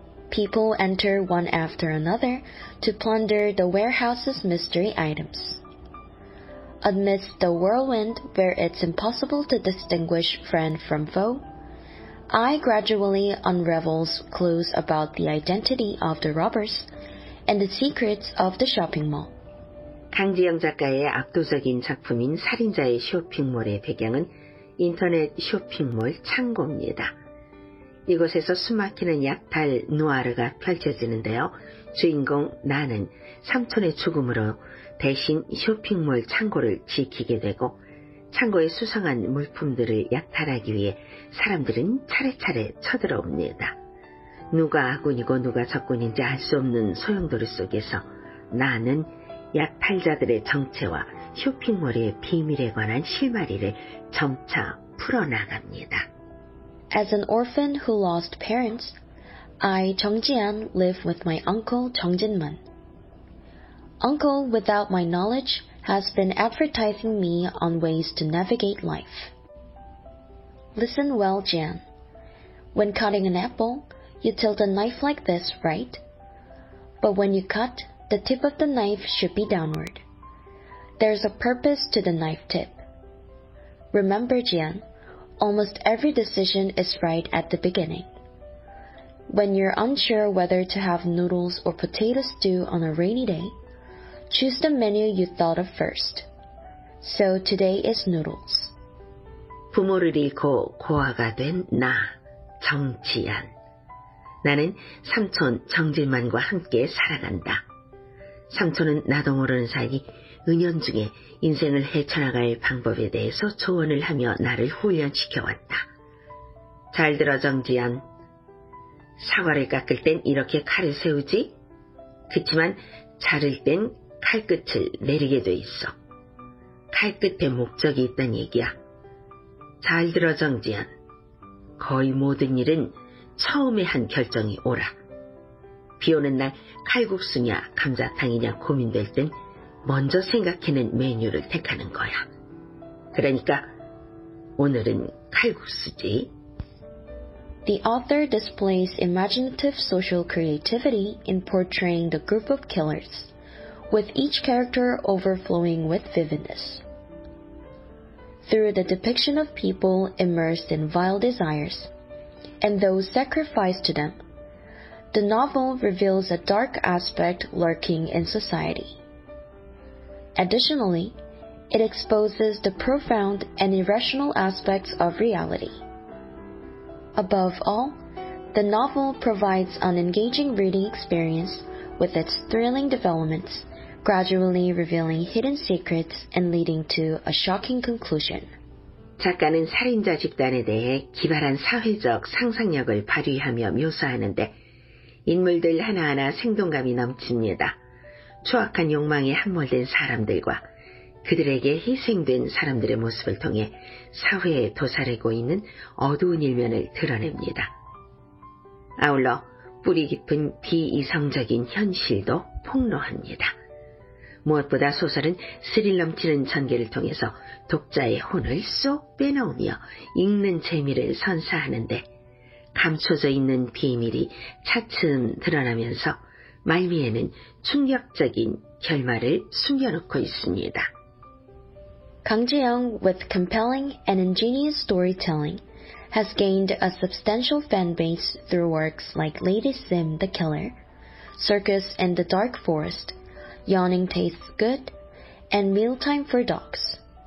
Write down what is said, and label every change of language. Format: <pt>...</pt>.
<en>People enter one after another to plunder the warehouse's mystery items. Amidst the whirlwind where it's impossible to distinguish friend from foe, I gradually unravels clues about the identity of the robbers and the secrets of the shopping mall.</en> <ko>강지영 작가의 압도적인 작품인 살인자의 쇼핑몰의 배경은 인터넷 쇼핑몰 창고입니다. 이곳에서 숨막히는 약탈 누아르가 펼쳐지는데요. 주인공 나는 삼촌의 죽음으로 대신 쇼핑몰 창고를 지키게 되고 창고에 수상한 물품들을 약탈하기 위해 사람들은 차례차례 쳐들어옵니다. 누가 아군이고 누가 적군인지 알 수 없는 소용돌이 속에서 나는 약탈자들의 정체와 쇼핑몰의 비밀에 관한 실마리를 점차 풀어나갑니다.</ko> <en>As an orphan who lost parents, I, Jung Ji-an, live with my uncle, Jung Jin-man. Uncle, without my knowledge, has been advertising me on ways to navigate life. Listen well, Jian. When cutting an apple, you tilt a knife like this, right? But when you cut, the tip of the knife should be downward. There's a purpose to the knife tip. Remember, Jian, almost every decision is right at the beginning. When you're unsure whether to have noodles or potato stew on a rainy day, choose the menu you thought of first. So today is noodles.</en> <ko>부모를 잃고 고아가 된 나, 정지안. 나는 삼촌 정진만과 함께 살아간다. 삼촌은 나도 모르는 사이 은연중에 인생을 헤쳐나갈 방법에 대해서 조언을 하며 나를 훈련시켜왔다. 잘 들어, 정지안. 사과를 깎을 땐 이렇게 칼을 세우지? 그치만 자를 땐 칼끝을 내리게 돼 있어. 칼끝에 목적이 있단 얘기야. 잘 들어, 정지안. 거의 모든 일은 처음에 한 결정이 오라. 비 오는 날 칼국수냐 감자탕이냐 고민될 땐 먼저 생각해낸 메뉴를 택하는 거야. 그러니까 오늘은 칼국수지.</ko> <en>The author displays imaginative social creativity in portraying the group of killers, with each character overflowing with vividness. Through the depiction of people immersed in vile desires, and those sacrificed to them, the novel reveals a dark aspect lurking in society. Additionally, it exposes the profound and irrational aspects of reality. Above all, the novel provides an engaging reading experience with its thrilling developments, gradually revealing hidden secrets and leading to a shocking conclusion.</en> <ko>작가는 살인자 집단에 대해 기발한 사회적 상상력을 발휘하며 묘사하는데 인물들 하나하나 생동감이 넘칩니다. 추악한 욕망에 함몰된 사람들과 그들에게 희생된 사람들의 모습을 통해 사회에 도사리고 있는 어두운 일면을 드러냅니다. 아울러 뿌리 깊은 비이성적인 현실도 폭로합니다. 무엇보다 소설은 스릴 넘치는 전개를 통해서 독자의 혼을 쏙 빼놓으며 읽는 재미를 선사하는데 감춰져 있는 비밀이 차츰 드러나면서 말미에는 충격적인 결말을 숨겨놓고 있습니다.</ko> <en>Kang Ji-young, with compelling and ingenious storytelling, has gained a substantial fan base through works like Lady Sim the Killer, Circus in the Dark Forest, Yawning Tastes Good, and Mealtime for Dogs.</en>